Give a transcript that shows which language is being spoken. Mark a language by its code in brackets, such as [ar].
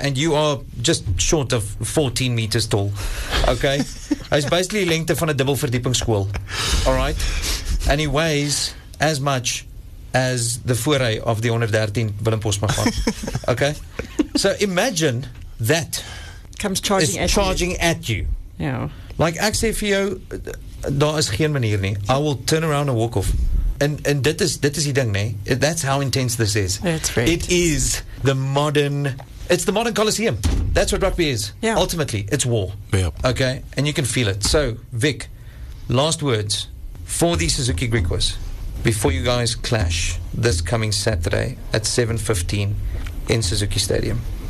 [en] And you are just short of 14 meters tall, okay? He's basically length of a double verdieping school, all right? And he weighs as much as the foray of the 113 Willem Posma, okay? So imagine that comes charging, at, charging you. At you. Yeah. [af] Like ek sê vir jou, daar is geen manier nie. [en] I will turn around and walk off. And [af] dit is die ding, nee. [en] That's how intense this is. That's right. It is the modern. It's the modern Colosseum. That's what rugby is. Yeah. Ultimately, it's war. Yep. Okay, and you can feel it. So, Vic, last words for the Suzuki Griquas before you guys clash this coming Saturday at 7:15 in Suzuki Stadium.